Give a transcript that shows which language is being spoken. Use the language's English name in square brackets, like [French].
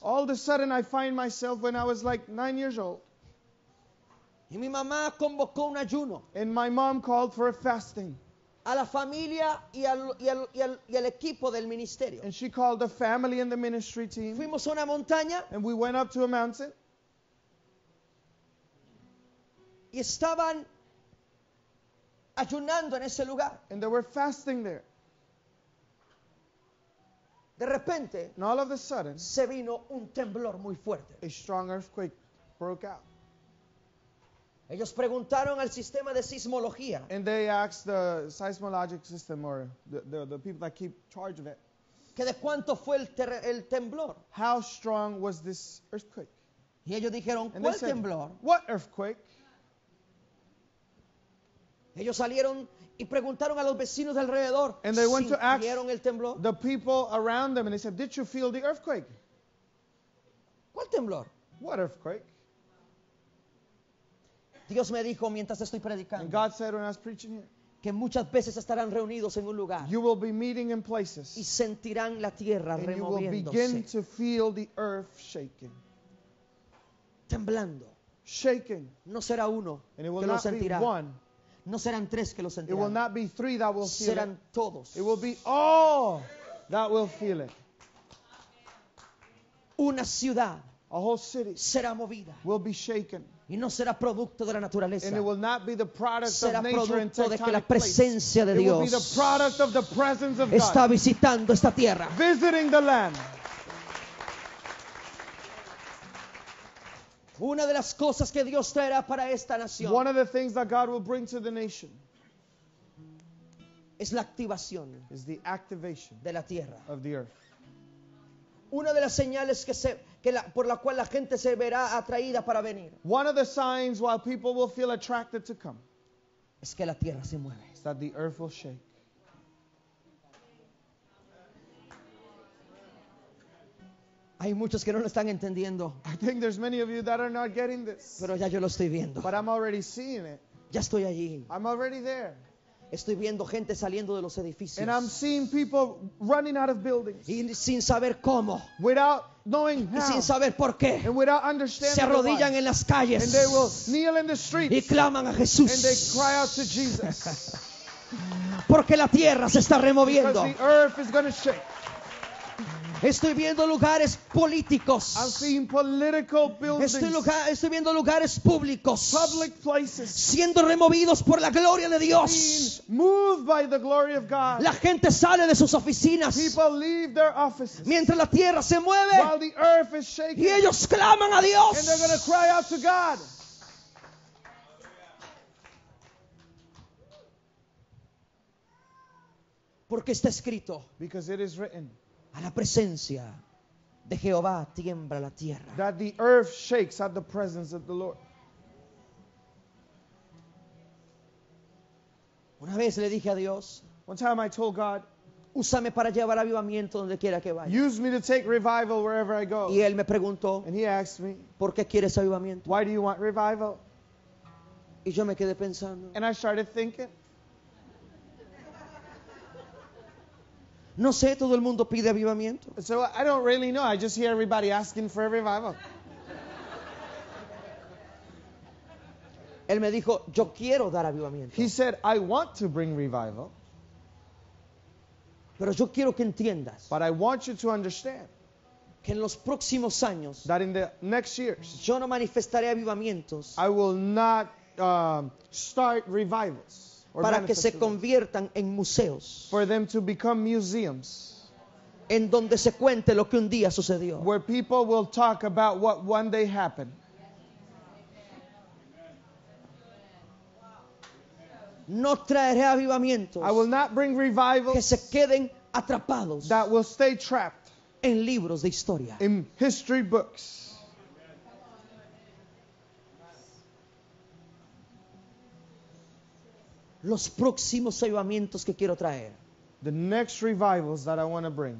[English] All of a sudden I find myself when I was like 9 years old. [Spanish] Y mi mamá convocó un ayuno. [English] And my mom called for a fasting. [Spanish] A la familia y al equipo del ministerio. [English] And she called the family and the ministry team. [Spanish] Fuimos a una montaña. [English] And we went up to a mountain. [Spanish] Y estaban ayunando en ese lugar. [English] And they were fasting there. [Spanish] De repente, [English] and all of a sudden, [Spanish] se vino un temblor muy fuerte. [English] A strong earthquake broke out. [Spanish] Ellos preguntaron al sistema de sismología. [English] And they asked the seismologic system, or the people that keep charge of it, [Spanish] que de cuánto fue el temblor. [English] How strong was this earthquake? [Spanish] Y ellos dijeron, and ¿cuál temblor? [English] Said, what earthquake? [Spanish] Ellos salieron y preguntaron a los vecinos de alrededor. [English] And they went [Spanish] si [English] to ask [Spanish] el temblor. [English] The people around them and they said, did you feel the earthquake? [Spanish] ¿Cuál temblor? [English] What earthquake? [Spanish] Dios me dijo mientras estoy predicando. [English] And God said when I was preaching here, [Spanish] que muchas veces estarán reunidos en un lugar. [English] You will be meeting in places. [Spanish] Y sentirán la tierra [English] and [Spanish] removiéndose. [English] You will begin to feel the earth shaking. [Spanish] Temblando. [English] Shaking. [Spanish] No será uno [English] and it will [Spanish] que [English] not [Spanish] lo sentirá. [English] Be one. [Spanish] No serán tres que lo sentirán. [English] It will not be three that will feel [Spanish] serán [English] it. [Spanish] Serán todos. [English] It will be all that will feel it. [Spanish] Una ciudad. [English] A whole city. [Spanish] Será movida. [English] Will be shaken. [Spanish] Y no será producto de la naturaleza. [English] And it will not be the product [Spanish] será [English] of nature and tectonic [Spanish] de que la presencia [English] place. [Spanish] De Dios [English] it will be the product of the presence of [Spanish] está [English] God. [Spanish] Visitando esta tierra. [English] Visiting the land. [Spanish] Una de las cosas que Dios traerá para esta nación. [English] One of the things that God will bring to the nation. [Spanish] Es la activación. [English] Is the activation. [Spanish] De la tierra. [English] Of the earth. [Spanish] Una de las señales por la cual la gente se verá atraída para venir. [English] One of the signs why people will feel attracted to come. [Spanish] Es que la tierra se mueve. [English] Is that the earth will shake. [Spanish] Hay muchos que no lo están entendiendo. [English] I think there's many of you that are not getting this. [Spanish] Pero ya yo lo estoy viendo. [English] But I'm already seeing it. [Spanish] Ya estoy allí. [English] I'm already there. [Spanish] Estoy viendo gente saliendo de los edificios. [English] And I'm seeing people running out of buildings. [Spanish] Y sin saber cómo. [English] Without knowing how. [Spanish] Y sin saber por qué. [English] And without understanding [Spanish] se arrodillan en las calles. [English] And they will kneel in the streets. [Spanish] Y claman a Jesús. [English] And they cry out to Jesus. [Spanish] Porque la tierra se está removiendo. [English] Because the earth is going to shake. [Spanish] Estoy viendo lugares políticos. [English] I'm seeing political buildings. [Spanish] Estoy viendo lugares públicos. [English] Public places. [Spanish] Siendo removidos por la gloria de Dios. [English] Being moved by the glory of God. [Spanish] La gente sale de sus oficinas. [English] People leave their offices. [Spanish] Mientras la tierra se mueve. [English] While the earth is shaking. [Spanish] Y ellos claman a Dios. [English] And they're going to cry out to God. [Spanish] Porque está escrito. [English] Because it is written. [Spanish] A la presencia de Jehová tiembla la tierra. [English] That the earth shakes at the presence of the Lord. [Spanish] Una vez le dije a Dios, [English] one time I told God, [Spanish] úsame para llevar avivamiento donde quiera que vaya. [English] Use me to take revival wherever I go. [Spanish] Y él me preguntó, [English] and he asked me, [Spanish] ¿por qué quieres avivamiento? [English] Why do you want revival? [Spanish] Y yo me quedé pensando. [English] And I started thinking. [Spanish] No sé, todo el mundo pide avivamiento. [English] So I don't really know. I just hear everybody asking for a revival. [Spanish] Él me dijo, yo quiero dar avivamiento. [English] He said, I want to bring revival. [Spanish] Pero yo quiero que entiendas. [English] But I want you to understand. [Spanish] Que en los próximos años. [English] That in the next years. [Spanish] Yo no manifestaré avivamientos. [English] I will not start revivals. [Spanish] Para que se conviertan en museos. [English] For them to become museums. [Spanish] En donde se cuente lo que un día sucedió. [English] Where people will talk about what one day happened. [Spanish] No traeré avivamientos. [English] I will not bring revivals. [Spanish] Que se queden atrapados. [English] That will stay trapped. [Spanish] En libros de historia. [English] In history books. [Spanish] Los próximos avivamientos que quiero traer. [English] The next revivals that I want to bring.